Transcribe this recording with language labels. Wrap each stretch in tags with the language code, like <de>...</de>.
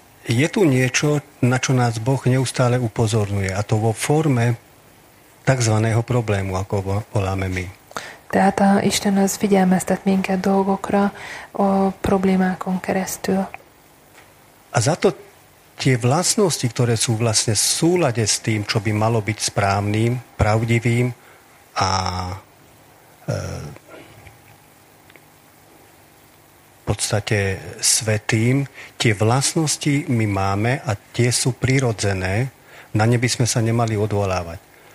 <sk>Je tu niečo, na čo nás Boh neustále upozorňuje, a to vo forme takzvaného problému, ako voláme my.</sk> <hu>Tehát a Isten az figyelmeztet minket dolgokra a problémákon keresztül.</hu> <sk>A za to tie vlastnosti, ktoré sú vlastne v súlade s tým, čo by malo byť správnym, pravdivým a v podstate svätým, tie vlastnosti my máme a tie sú prirodzené, na ne by sme sa nemali odvolávať.</sk>